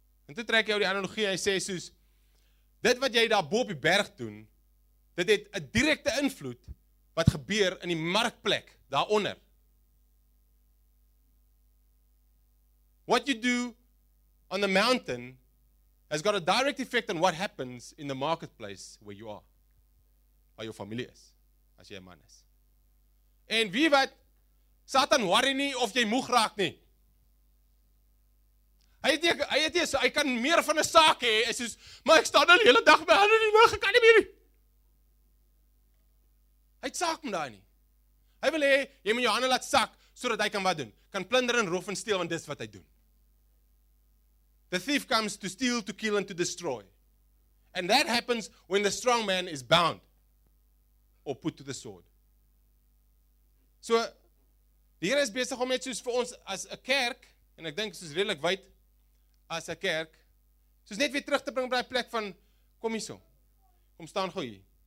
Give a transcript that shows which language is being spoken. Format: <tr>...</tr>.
<af>En toe trek hy die analogie, hy sê soos, dit wat jy daar bo op die berg doen, dit het 'n direkte invloed wat gebeur in die markplek daaronder.</af> <en>What you do on the mountain has got a direct effect on what happens in the marketplace where you are.</en> <af>Waar jou familie is, as jy 'n man is. En wie wat, Satan worry nie of jy moeg raak nie. Hy kan meer van 'n saak hê, is soos, maar ek staan al die hele dag, my hande nie moeg, ek kan nie meer nie. Hy het saak met daai nie. Hy wil hê, jy moet jou hande laat sak, sodat hy kan wat doen. Kan plunder en roof en steel, want dis wat hy doen.</af> <en>The thief comes to steal, to kill and to destroy. And that happens when the strong man is bound or put to the sword.</en> <af>So, die Here is besig om net soos vir ons as 'n kerk, en ek dink soos redelik wyd as 'n kerk, soos net weer terug te bring by die plek van, kom hierso, kom staan gou hier.</af>